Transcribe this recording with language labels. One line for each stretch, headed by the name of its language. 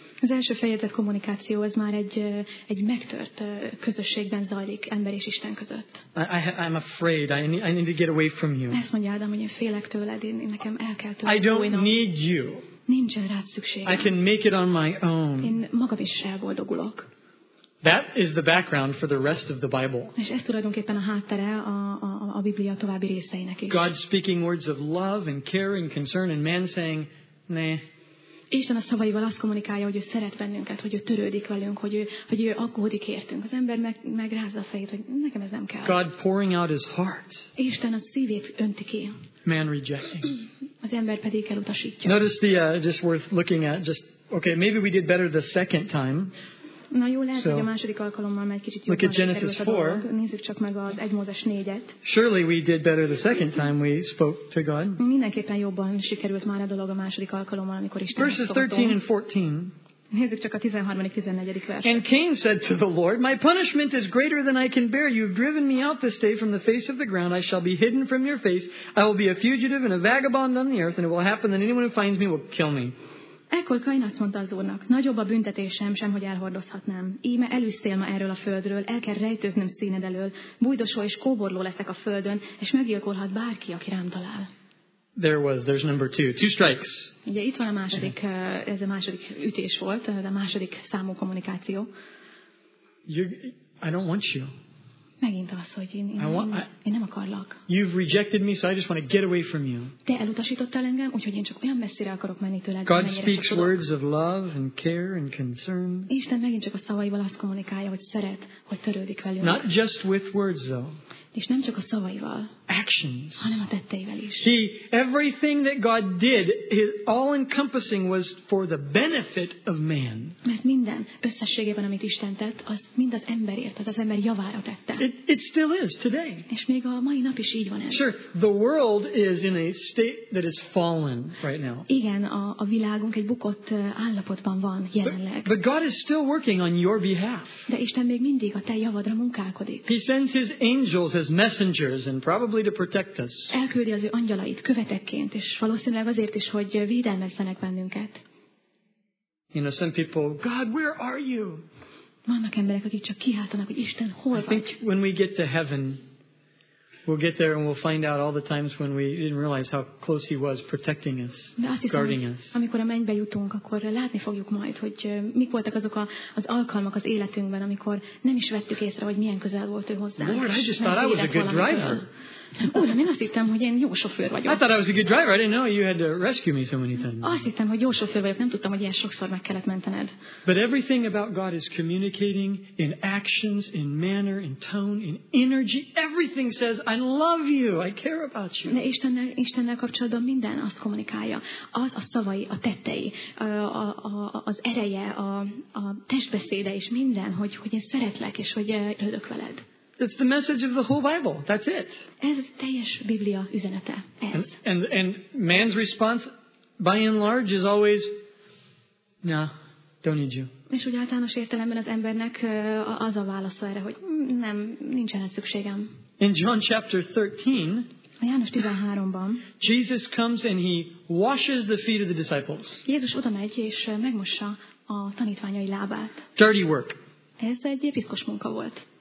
Hungarian: Az első fejezett kommunikáció az már egy megtört közösségben zajlik ember és Isten között.
English: I'm afraid. I need to get away from you.
Hungarian: Ezt mondja Ádám, hogy én félek tőled, én nekem el kell tőled.
English: I don't need you.
Hungarian: Nincsen rád szükségem.
English: I can make it on my own.
Hungarian: Én magam is elboldogulok.
English: That is the background for the rest of the Bible.
Hungarian: És ez tulajdonképpen a háttere a Biblia további részeinek is.
English: God speaking words of love and care and concern, and man saying, "Nah."
Hungarian: Isten a szavaival azt kommunikálja, hogy ő szeret bennünket, hogy ő törődik velünk, hogy ő aggódik értünk. Az ember meg rázza a fejét, hogy nekem ez nem kell.
English: God pouring out his heart.
Hungarian: Isten a szívét önti ki.
English: Man rejecting.
Hungarian: Az ember pedig elutasítja.
English: Notice the just worth looking at. Just okay, maybe we did better the second time.
Hungarian: Na jó, lehet, hogy a második alkalommal már egy kicsit jobban sikerült a dolgot. Nézzük csak meg az 1 Mózes 4-et.
English: Surely we did better the second time we spoke to God.
Hungarian: Mindenképpen jobban sikerült már a dolog a második alkalommal, amikor Istenhez szóltunk.
English: Verses 13 and 14.
Hungarian: Nézzük csak a 13-14. verset.
English: And Cain said to the Lord, "My punishment is greater than I can bear. You have driven me out this day from the face of the ground. I shall be hidden from your face. I will be a fugitive and a vagabond on the earth, and it will happen that anyone who finds me will kill me."
Hungarian: Ekkor Kain azt mondta az Úrnak, nagyobb a büntetésem, sem hogy elhordozhatnám. Íme elűztél ma erről a földről, el kell rejtőznöm színed elől, bújdosó és kóborló leszek a földön, és meggyilkolhat bárki, aki rám talál.
English: There's number two. Two strikes.
Hungarian: Ugye itt van a második, ez a második ütés volt, a második számú kommunikáció.
English: I don't want you.
Hungarian: Megint az, hogy én nem akarlak.
English: You've rejected me, so I just want to get away from you.
Hungarian: Te elutasítottál engem, úgyhogy én csak olyan messzire akarok menni tőled.
English: God speaks words of love and care and concern.
Hungarian: Isten megint csak a szavaival azt kommunikálja, hogy szeret, hogy törődik velünk.
English: Not just with words, though.
Hungarian: És nem csak a szavaival.
English: Actions.
Hungarian: Hanem a tetteivel is.
English: See, everything that God did, all encompassing, was for the benefit of man.
Hungarian: Mert minden összességében, amit Isten tett, az mind az emberért, az ember javára tette.
English: It still is today.
Hungarian: És még a mai nap is így van ez.
English: Sure, the world is in a state that is fallen right now.
Hungarian: Igen, a világunk egy bukott állapotban van jelenleg.
English: But God is still working on your behalf.
Hungarian: De Isten még mindig a te javadra munkálkodik.
English: He sends his angels as messengers and probably to protect us.
Hungarian: Elküldi az ő angyalait követekként, és valószínűleg azért is, hogy védelmezzenek bennünket.
English: You know, some people, "God, where are you?"
Hungarian: Vannak emberek, akik csak kiáltanak, hogy Isten, hol vagy?
English: I think when we get to heaven, we'll get there and we'll find out all the times when we didn't realize how close he was protecting us, guarding us.
Hungarian: Amikor a mennybe jutunk, akkor látni fogjuk majd, hogy mik voltak azok az alkalmak az életünkben, amikor nem is vettük észre, hogy milyen közel volt ő hozzá.
English: Lord, I just thought I was a good driver.
Hungarian: Uram, én azt hittem, hogy én jó sofőr vagyok.
English: I thought I was a good driver. I didn't know you had to rescue me so many times.
Hungarian: Azt hittem, hogy jó sofőr vagyok. Nem tudtam, hogy ilyen sokszor meg kellett mentened.
English: But everything about God is communicating in actions, in manner, in tone, in energy. Everything says, "I love you. I care about you."
Hungarian: De Istennel kapcsolatban minden azt kommunikálja. Az a szavai, a tettei, az ereje, a testbeszéde és minden, hogy én szeretlek és hogy örülök veled.
English: It's the message of the whole Bible. That's it.
Hungarian: Ez a teljes Biblia üzenete.
English: And man's response, by and large, is always, "Nah, don't need you."
Hungarian: És úgy általános értelemben az embernek az a válasza erre, hogy nem, nincsen szükségem.
English: In John chapter 13,
Hungarian: a János 13-ban,
English: Jesus comes and he washes the feet of the disciples.
Hungarian: Jézus odamegy és megmossa a tanítványai lábát.
English: Dirty work.
Hungarian: Ez egy piszkos munka volt.